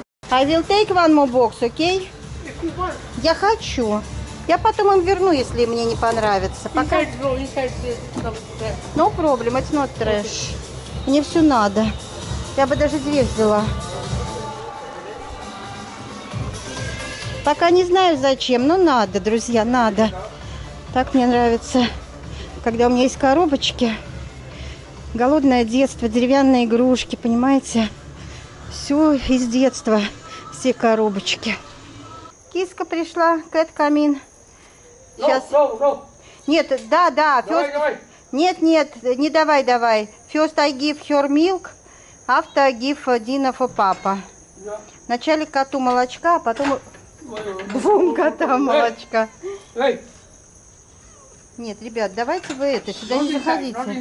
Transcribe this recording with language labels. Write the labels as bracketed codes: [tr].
[en] I will take one more box, окей? [ru] Я хочу. Я потом им верну, если мне не понравится. Пока... [en] No problem, it's not trash. [ru] Мне все надо. Я бы даже две взяла. Пока не знаю зачем, но надо, друзья, надо. Так мне нравится, когда у меня есть коробочки. Голодное детство, деревянные игрушки, понимаете? Все из детства, все коробочки. Киска пришла, Кэт Камин. Сейчас... [en] No, no, no. [ru] Нет, да, да. [en] First... [ru] Давай, давай. Нет, нет, не давай, давай. [en] First I give her milk, after I give Dina for papa. Yeah. [ru] Вначале коту молочка, а потом двум котам молочка. Эй! Нет, ребят, давайте вы это, сюда not не заходите.